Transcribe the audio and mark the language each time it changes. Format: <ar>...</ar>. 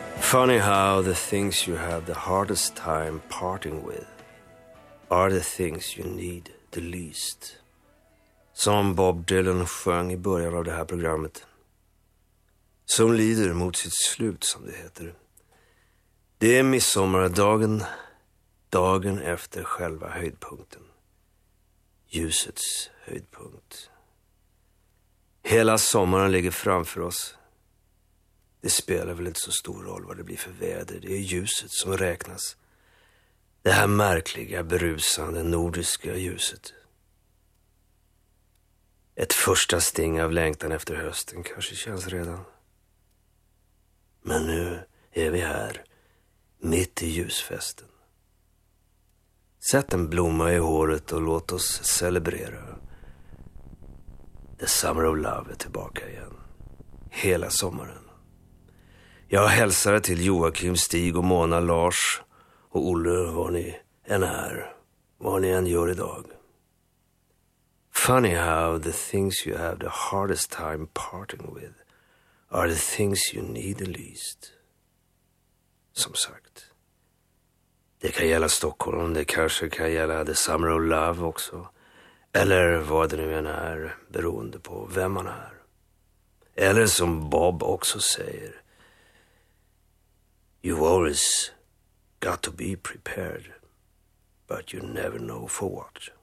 <en>funny how the things you have the hardest time parting with are the things you need the least.</en> <sv>Som Bob Dylan sjöng i början av det här programmet. Som lider mot sitt slut, som det heter. Det är midsommardagen, dagen efter själva höjdpunkten. Ljusets höjdpunkt. Hela sommaren ligger framför oss. Det spelar väl inte så stor roll vad det blir för väder. Det är ljuset som räknas. Det här märkliga, berusande, nordiska ljuset. Ett första sting av längtan efter hösten kanske känns redan. Men nu är vi här, mitt i ljusfesten. Sätt en blomma i håret och låt oss celebrera. The Summer of Love är tillbaka igen. Hela sommaren. Jag hälsar till Joakim, Stig och Mona, Lars och Olle, var ni än är, vad ni än gör idag.</sv> <en>Funny how the things you have the hardest time parting with are the things you need the least.</en> <sv>Som sagt, det kan gälla Stockholm, det kanske kan gälla The Summer of Love också. Eller vad det nu än är, beroende på vem man är. Eller som Bob också säger, you always got to be prepared, but you never know for what.</sv>